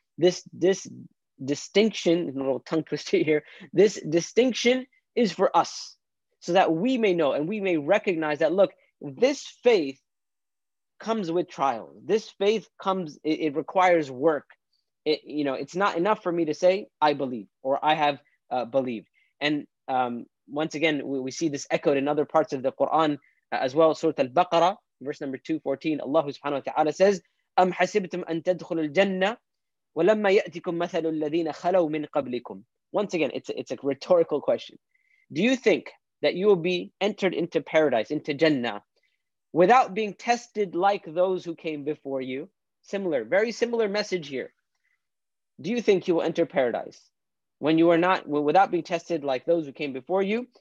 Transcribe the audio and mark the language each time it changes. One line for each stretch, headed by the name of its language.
English: This distinction, a little tongue twister here, this distinction is for us, so that we may know and we may recognize that, look, this faith comes with trials. This faith comes, it requires work. It's not enough for me to say, I believe, or I have believed. And once again, we see this echoed in other parts of the Quran as well. Surah Al-Baqarah, verse number 214, Allah subhanahu wa ta'ala says,
Arabic: أَمْ حَسِبْتُمْ أَن تَدْخُلُ الْجَنَّةِ وَلَمَّا يَأْتِكُمْ مَثَلُ الَّذِينَ خَلَوْ مِنْ قَبْلِكُمْ.
English: Once again, it's a rhetorical question. Do you think that you will be entered into paradise, into Jannah, without being tested like those who came before you? Similar, very similar message here. Do you think you will enter paradise when you are not, without being tested like those who came before you?